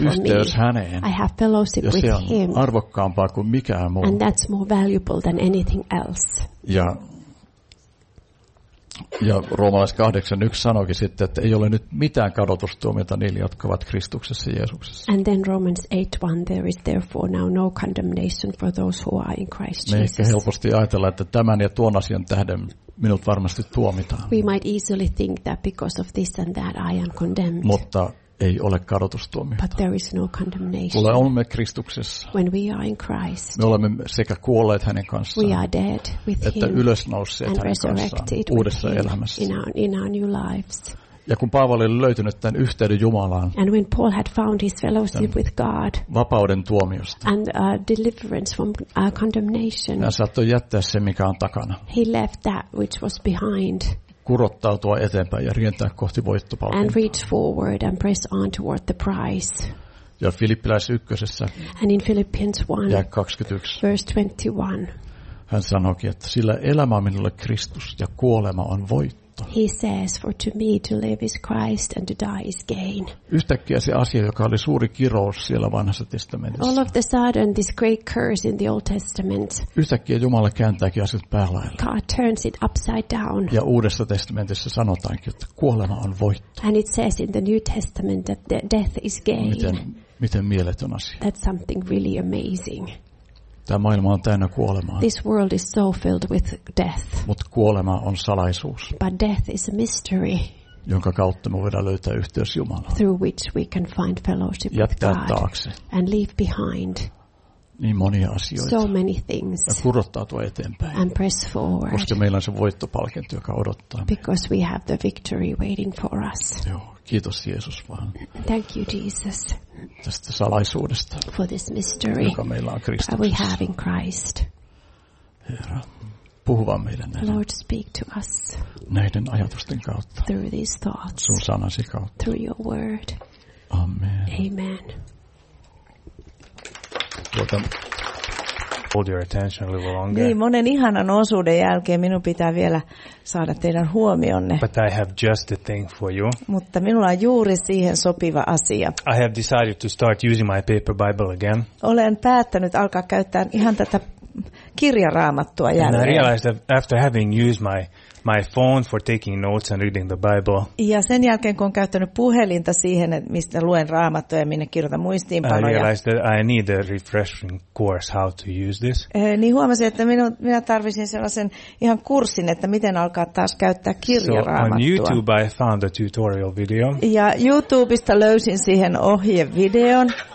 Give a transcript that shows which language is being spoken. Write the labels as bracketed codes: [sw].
[fi] Mulla on yhteys häneen. [en] I have fellowship with him. [fi] Ja se on arvokkaampaa kuin mikään muu. [en] And that's more valuable than anything else. [fi] Ja Roomalais 8:1 sanoikin sitten, että ei ole nyt mitään kadotustuomiota niille, jotka ovat Kristuksessa Jeesuksessa. [en] And then Romans 8:1, there is therefore now no condemnation for those who are in Christ Jesus. [fi] Me ehkä helposti ajatellaan, että tämän ja tuon asian tähden minut varmasti tuomitaan. [en] We might easily think that because of this and that I am condemned. [fi] Mutta ei ole kadotustuomiota. [en] But there is no condemnation. [fi] Kun olemme Kristuksessa. [en] When we are in Christ. [fi] Me olemme sekä kuolleet hänen kanssaan. [en] We are dead with [fi] että [en] him. [fi] Ylösnousseet [en] and [fi] hänen kanssaan uudessa elämässä. [en] In our new lives. [fi] Ja kun Paavali oli löytynyt tämän yhteyden Jumalaan. [en] And when Paul had found his fellowship with God. [fi] Vapauden tuomiosta. [en] And deliverance from condemnation. [fi] Hän saattoi jättää sen, mikä on takana. [en] He left that which was behind. [fi] Kurottautua eteenpäin ja rientää kohti voittopalkintoa. [en] And reach forward and press on toward the prize. [fi] Ja Filippiläis ykkösessä. [en] And in Philippians 1. [fi] Ja 21. [en] Verse 21. [fi] Hän sanoikin, että sillä elämä on minulle Kristus ja kuolema on voitto. [en] He says, for to me to live is Christ and to die is gain. [fi] Yhtäkkiä se asia, joka oli suuri kirous siellä vanhassa testamentissa. [en] All of the sudden this great curse in the Old Testament. [fi] Yhtäkkiä Jumala kääntääkin asiat päälailla. [en] God turns it upside down. [fi] Ja Uudessa testamentissa sanotaankin, että kuolema on voitto. [en] And it says in the New Testament that death is gain. [fi] Miten mieletön asia. [en] That's something really amazing. [fi] Tämä maailma on täynnä kuolemaa. [en] This world is so filled with death. [fi] Mutta kuolema on salaisuus. [en] But death is a mystery. [fi] Jonka kautta me voidaan löytää yhteys Jumalaan. [en] Through which we can find fellowship with God. [fi] Jättää taakse. [en] And leave behind. [fi] Niin monia asioita. [en] So many things. [fi] Ja kurottautua eteenpäin. [en] And press forward. [fi] Koska meillä on se voittopalkinto, joka odottaa. [en] Because we have the victory waiting for us. [fi] Joo, kiitos Jeesus vaan. [en] Thank you Jesus. [fi] Tästä salaisuudesta, [en] for this mystery, [fi] joka meillä on Kristuksessa. [en] That we have in Christ. [fi] Herra, puhu vaan meidän näiden, [en] Lord, speak to us [fi] näiden ajatusten kautta. [en] Through these thoughts. [fi] Sun sanasi kautta. [en] Through your word. [fi] Amen. [en] Amen. Hold your attention a little longer. [fi] Niin, monen ihanan osuuden jälkeen minun pitää vielä saada teidän huomionne. [en] But I have just a thing for you. [fi] Mutta minulla on juuri siihen sopiva asia. [en] I have decided to start using my paper Bible again. [fi] Olen päättänyt alkaa käyttää ihan tätä kirjaraamattua jälleen. [en] And I realized that after having used my phone for taking notes and reading the Bible. [fi] Ja sen jälkeen kun olen käyttänyt puhelinta siihen, että mistä luen raamattuja ja minne kirjoitan muistiinpanoja. [en] I realized that I need a refreshing course how to use this. [fi] Niin huomasin, että minä tarvitsin sellaisen ihan kurssin, että miten alkaa taas käyttää kirjaraamattua. [en] So on YouTube I found a tutorial video. [fi] Ja YouTubesta löysin siihen ohjevideon.